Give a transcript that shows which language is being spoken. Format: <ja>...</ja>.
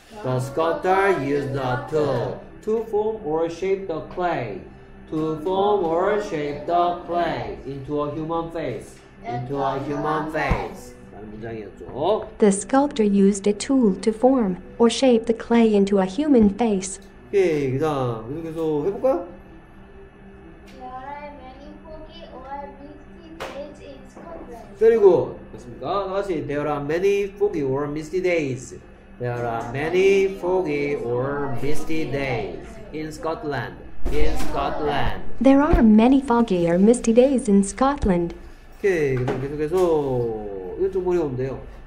<en>The sculptor used the tool to form or shape the clay. To form or shape the clay into a human face. Into a human face.</en> <ko>문장이었죠.</ko> <en>The sculptor used a tool to form or shape the clay into a human face.</en> <ko>오케이, 그다음 계속해서 해볼까요?</ko> <en>There are many foggy or misty days in Scotland. Very good.</en> <ko>됐습니까? 다시</ko> <en>There are many foggy or misty days. There are many foggy or misty days in Scotland. In Scotland. There are many foggy or misty days in Scotland.</en> <ko>오케이, 그다음 계속해서 이건 좀 어려운데요.</ko>